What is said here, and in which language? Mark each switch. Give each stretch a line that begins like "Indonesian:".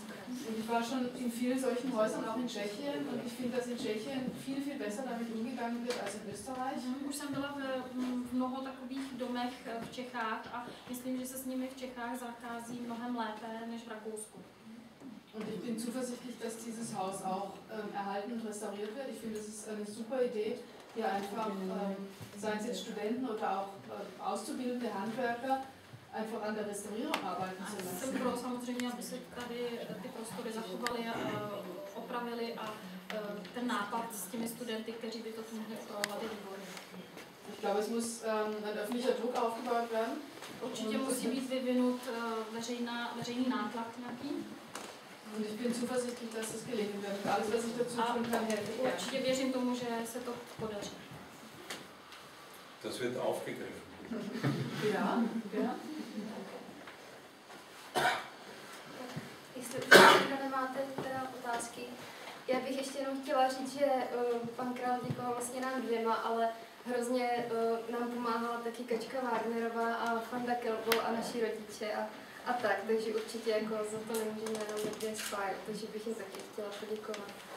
German: Ich war schon in vielen solchen Häusern, auch in Tschechien, und ich finde, dass in Tschechien viel, viel besser damit umgegangen wird als in Österreich.
Czech: Už jsem byla v mnoho takových domech v Čechách a myslím, že se s nimi v Čechách zachází mnohem lépe než v Rakousku.
German: Und ich bin zuversichtlich, dass dieses Haus auch erhalten und restauriert wird. Ich finde, es ist eine super Idee, hier einfach, seien es jetzt Studenten oder auch auszubildende Handwerker, einfach an der Restaurierung arbeiten zu lassen.
Czech: Jsem pro, samozřejmě, aby se tady ty prostory zachovaly, opravili a ten nápad s těmi studenty, kteří by to tu mohli opravovat, je výborný.
German: Ich glaube, es muss ein öffentlicher Druck aufgebaut werden.
Czech: Určitě musí být vyvinut veřejný nátlak nějaký.
German: Und ich bin zuversichtlich, dass es gelingen wird. Alles, was ich dazu tun kann, helfe ich.
Czech: Určitě věřím tomu, že se to podaří.
German: Das wird aufgegriffen. Ja, ja.
Czech: Jestli teda nemáte teda otázky, já bych ještě jenom chtěla říct, že pan Král děkoval vlastně nám dvěma, ale hrozně nám pomáhala taky Kačka Wagnerová a Fanda Kelbo a naši rodiče a tak, takže určitě jako za to nemůžeme jenom někde spát, takže bych jim taky chtěla poděkovat.